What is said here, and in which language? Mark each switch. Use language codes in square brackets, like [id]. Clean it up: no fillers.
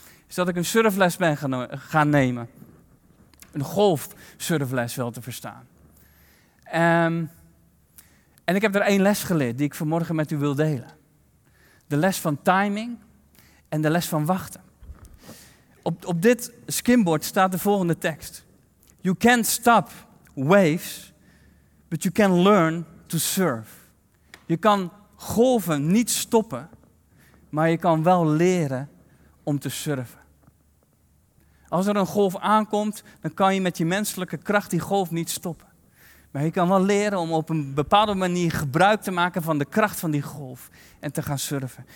[nl] Is dat ik een surfles ben gaan nemen. Een golfsurfles wel te verstaan. En ik heb er 1 les geleerd die ik vanmorgen met u wil delen. De les van timing en de les van wachten. Op dit skimboard staat de volgende tekst. [en] You can't stop waves, but you can learn to surf. [nl] Je kan golven niet stoppen, maar je kan wel leren om te surfen. Als er een golf aankomt, dan kan je met je menselijke kracht die golf niet stoppen. Maar je kan wel leren om op een bepaalde manier gebruik te maken van de kracht van die golf en te gaan surfen.